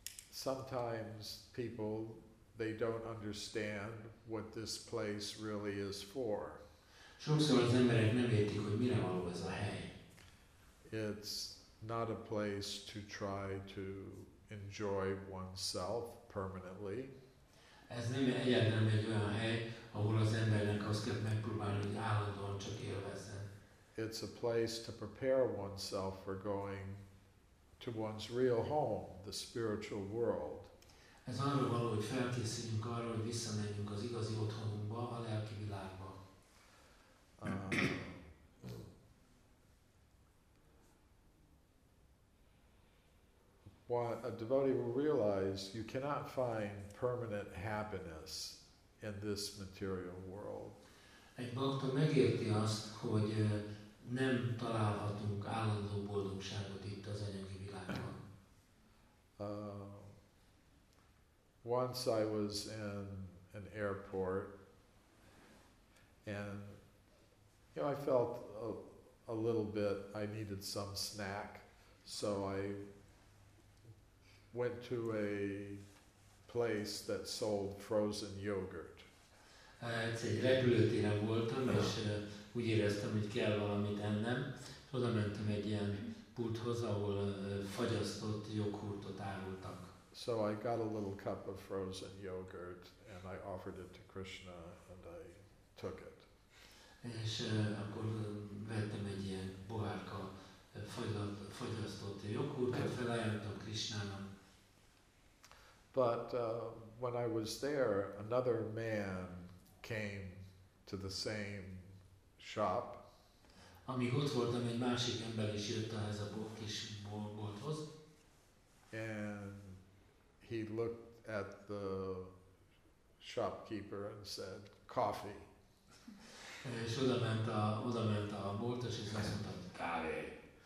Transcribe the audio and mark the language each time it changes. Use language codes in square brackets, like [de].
[en] Sometimes people, they don't understand what this place really is for. [hu] Sokszor az emberek nem értik, hogy mire való ez a hely. [en] It's not a place to try to enjoy oneself permanently. [hu] Ez nem egyetlen egy olyan hely, ahol az embernek azt kell megpróbálni, hogy állandóan csak élvezzen. [en] It's a place to prepare oneself for going to one's real home, the spiritual world. [hu] Ez arról való, hogy felkészüljünk arra, hogy visszamenjünk az igazi otthonunkba, a lelki világba. [en] What a devotee will realize, you cannot find permanent happiness in this material world. [hu] Egy bakta megérti azt, hogy nem találhatunk állandó boldogságot itt az anyagi világban. [en] Once I was in an airport, and you know, I felt a little bit, I needed some snack, so I went to a place that sold frozen yogurt. [hu] Egy repülőtéren voltam, és úgy éreztem, hogy kell valamit ennem. Oda mentem egy ilyen pulthoz, ahol fagyasztott joghurtot árultak. [en] So I got a little cup of frozen yogurt, and I offered it to Krishna, and I took it. [hu] És akkor vettem egy ilyen bohárka fogyasztott joghurtot, felajánlottam Krishnának. [en] But when I was there, another man came to the same shop. [hu] Amíg ott voltam, egy másik ember is jött ehhez a kis bolthoz. [en] And he looked at the shopkeeper and said, coffee. [hu] És odament a boltos, és azt mondta, kávé.